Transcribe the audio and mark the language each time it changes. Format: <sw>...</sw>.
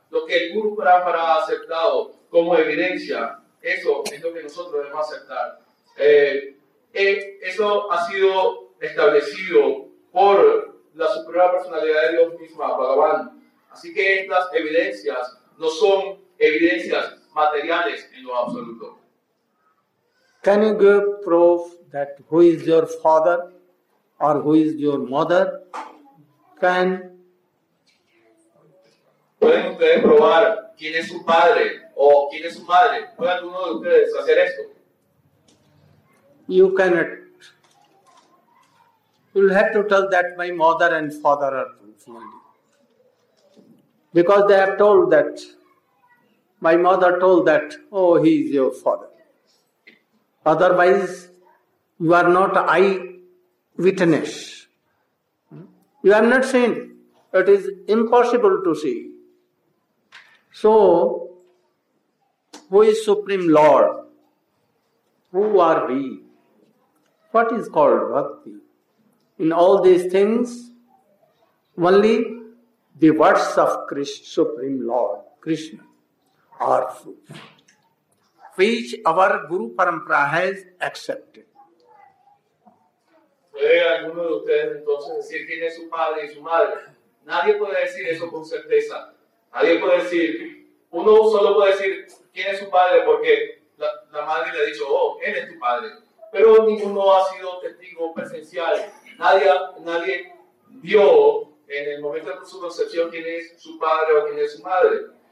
<es>Lo que el Guru Parampara ha aceptado como evidencia, eso es lo que nosotros debemos aceptar. Eso ha sido establecido por la Suprema Personalidad de Dios misma, Bhagavan. Así que estas evidencias no son evidencias materiales en lo absoluto.</es> <en>Can you give proof that who is your father or who is your mother? Can</en> <es>¿Pueden ustedes probar quién es su padre o quién es su madre? ¿Puede alguno de ustedes hacer esto?</es> <en>You cannot. You'll have to tell that my mother and father are family. Because they have told that, my mother told that, oh, he is your father. Otherwise, you are not eyewitness. You have not seen. It is impossible to see. So, who is Supreme Lord? Who are we? What is called bhakti? In all these things, only the words of Krishna, Supreme Lord, Krishna, are proof, which our Guru Parampara has accepted.</en> <es>¿Puede alguno de ustedes entonces decir quién es su padre y su madre? Nadie puede decir eso con certeza. Nadie puede decir. Uno solo puede decir quién es su padre porque la madre le ha dicho, oh, él es tu padre. Pero ninguno ha sido testigo presencial. Nadie vio en el momento de su concepción quién es su padre o quién es su madre.</es>